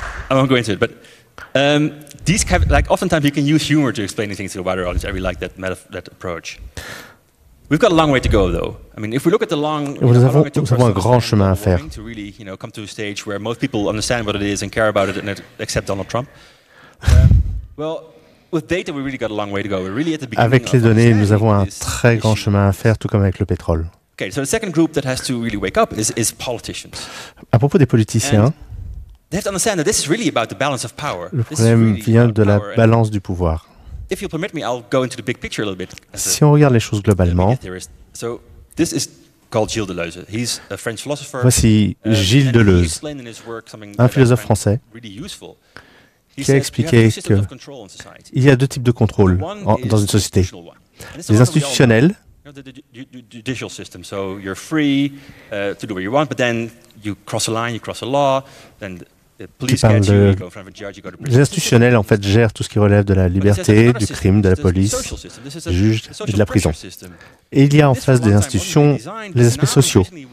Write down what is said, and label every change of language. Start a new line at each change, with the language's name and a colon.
English: I won't go into it, but these kind of, like oftentimes you can use humor to explain things to a wider audience. I really like that approach. We've got a long way to go, though. I mean, if we look at the long,
French: nous avons un grand chemin à faire.
English: To really, you know, come to a stage where most people understand what it is and care about it and accept Donald Trump. Well, with data, we really got a long way to go. We're really at the beginning.
French: Avec les données, nous avons un très grand chemin à faire, tout comme avec le pétrole.
English: Okay, so the second group that has to really wake up is politicians.
French: À propos des politiciens.
English: They have to understand that this is really about the balance of power.
French: Le problème vient de la balance du pouvoir.
English: If you'll permit me, I'll go into the big picture a little bit.
French: Si on regarde les choses globalement,
English: so this is called Gilles Deleuze. He's a French philosopher.
French: Voici Gilles Deleuze, un philosophe français, qui a expliqué qu'il y a deux types de contrôle dans une société. Les institutionnels.
English: Judicial system, so you're free to do what you want, but then you cross a line, you cross a law, then the police catch you, you go in front of a judge, you go to prison.
French: Les institutionnels en fait gèrent tout ce qui relève de la liberté, du crime, de la police, du juge et de la prison. Et il y a en face des institutions les aspects sociaux.